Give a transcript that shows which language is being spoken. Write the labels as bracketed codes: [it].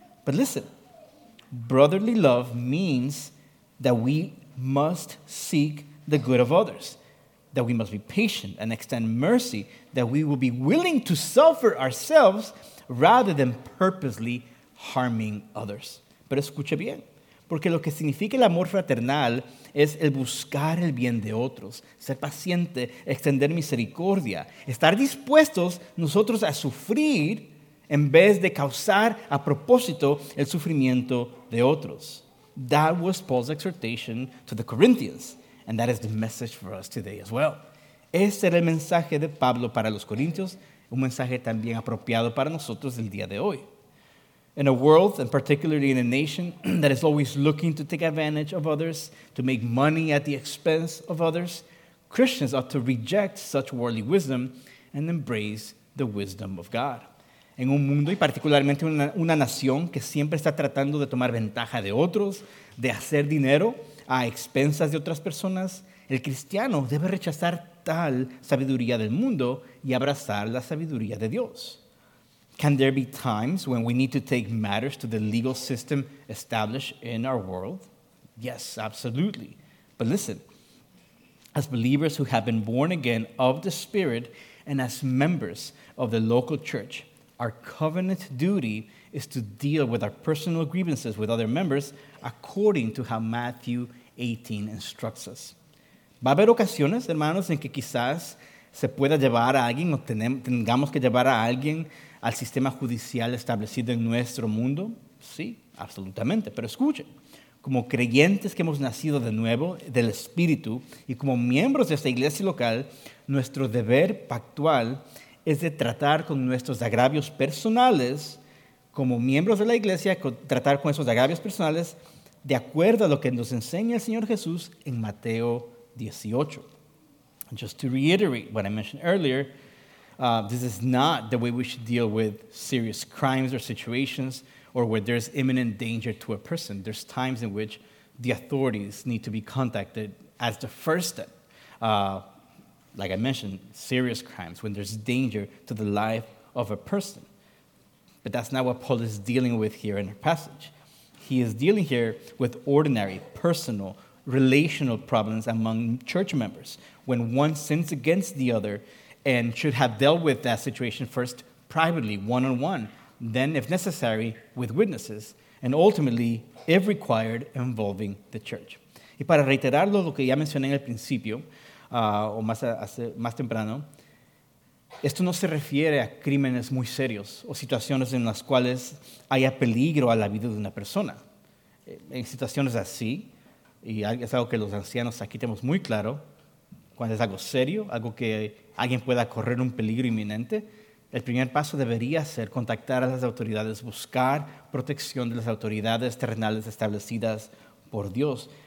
[en] But listen, brotherly love means that we must seek the good of others, that we must be patient and extend mercy, that we will be willing to suffer ourselves rather than purposely harming others. [es] Pero escuche bien, porque lo que significa el amor fraternal es el buscar el bien de otros, ser paciente, extender misericordia, estar dispuestos nosotros a sufrir en vez de causar a propósito el sufrimiento de otros. [en] That was Paul's exhortation to the Corinthians, and that is the message for us today as well. [es] Ese era el mensaje de Pablo para los corintios, un mensaje también apropiado para nosotros el día de hoy. [en] In a world, and particularly in a nation, that is always looking to take advantage of others, to make money at the expense of others, Christians ought to reject such worldly wisdom and embrace the wisdom of God. [es] En un mundo, y particularmente una nación, que siempre está tratando de tomar ventaja de otros, de hacer dinero a expensas de otras personas, el cristiano debe rechazar tal sabiduría del mundo y abrazar la sabiduría de Dios. [en] Can there be times when we need to take matters to the legal system established in our world? Yes, absolutely. But listen, as believers who have been born again of the Spirit and as members of the local church, our covenant duty is to deal with our personal grievances with other members according to how Matthew 18 instructs us. [es] Va a haber ocasiones, hermanos, en que quizás se pueda llevar a alguien o tengamos que llevar a alguien al sistema judicial establecido en nuestro mundo. Sí, absolutamente. Pero escuchen, como creyentes que hemos nacido de nuevo del Espíritu y como miembros de esta iglesia local, nuestro deber pactual es de tratar con nuestros agravios personales, como miembros de la iglesia, tratar con esos agravios personales de acuerdo a lo que nos enseña el Señor Jesús en Mateo 18. [en] Just to reiterate what I mentioned earlier, this is not the way we should deal with serious crimes or situations or where there's imminent danger to a person. There's times in which the authorities need to be contacted as the first step. Like I mentioned, serious crimes, when there's danger to the life of a person. But that's not what Paul is dealing with here in our passage. He is dealing here with ordinary, personal, relational problems among church members when one sins against the other and should have dealt with that situation first privately, one-on-one, then, if necessary, with witnesses, and ultimately, if required, involving the church. [es] Y para reiterarlo, lo que ya mencioné en el principio, más temprano, esto no se refiere a crímenes muy serios o situaciones en las cuales haya peligro a la vida de una persona. En situaciones así, y es algo que los ancianos aquí tenemos muy claro, cuando es algo serio, algo que alguien pueda correr un peligro inminente, el primer paso debería ser contactar a las autoridades, buscar protección de las autoridades terrenales establecidas por Dios.